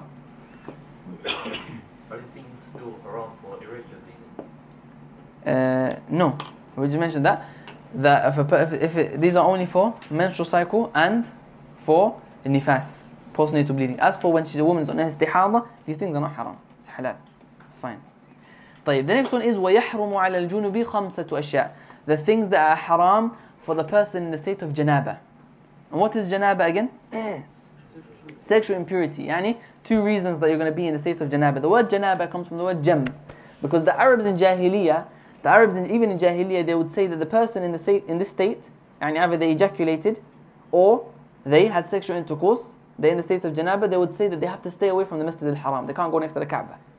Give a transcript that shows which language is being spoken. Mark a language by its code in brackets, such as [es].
[en] Are these things still haram for irregular bleeding? No. We just mentioned that. These are only for menstrual cycle and for nifas, postnatal bleeding. As for when she's a woman's on istihada, these things are not haram. It's halal. It's fine. [ar] طيب, [en] the next one is [ar] وَيَحْرُمُ عَلَى الْجُنُوبِ خَمْسَةُ أَشْيَاءَ. [en] The things that are haram for the person in the state of janaba. And what is janaba again? Sexual impurity. Yani, two reasons that you're going to be in the state of janaba. The word janaba comes from the word jam. Because the Arabs, even in Jahiliyyah, they would say that the person in this state, yani either they ejaculated or they had sexual intercourse, they're in the state of janaba, they would say that they have to stay away from the Masjid al-Haram. They can't go next to the Kaaba.